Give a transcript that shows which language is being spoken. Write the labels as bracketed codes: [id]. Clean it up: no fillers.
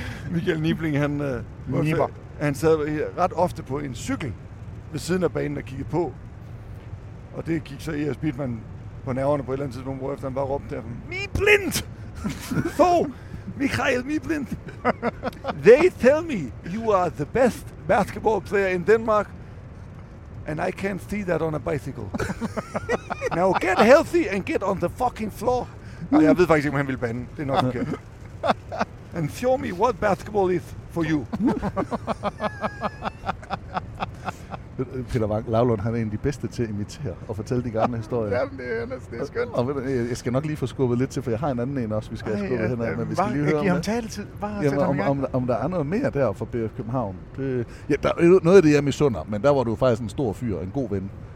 [da] Michael Nibling, han sad ret ofte på en cykel ved siden af banen og kiggede på. Og det gik så E.S. Bittmann på nerverne på et eller andet tidspunkt, hvorefter han bare råbte derfra, Niblind! [en] So, Michael Niblind, they tell me you are the best basketball player in Denmark, and I can't see that on a bicycle. Now get healthy and get on the fucking floor. [da] Nej, jeg ved faktisk ikke, om han ville bande. Det er nok ikke. [en] And show me what basketball is for you. [da] Peter Wang Lavlund, han er en af de bedste til at imitere og fortælle de gamle historier. Jamen, det er skønt. Og jeg skal nok lige få skubbet lidt til, for jeg har en anden en også, vi skal have skubbet henad. Men vi skal lige høre ham taletid. Om der er noget mere der for BF København. Det, ja, der er noget af det, jeg misunder, men der var du faktisk en stor fyr, en god ven.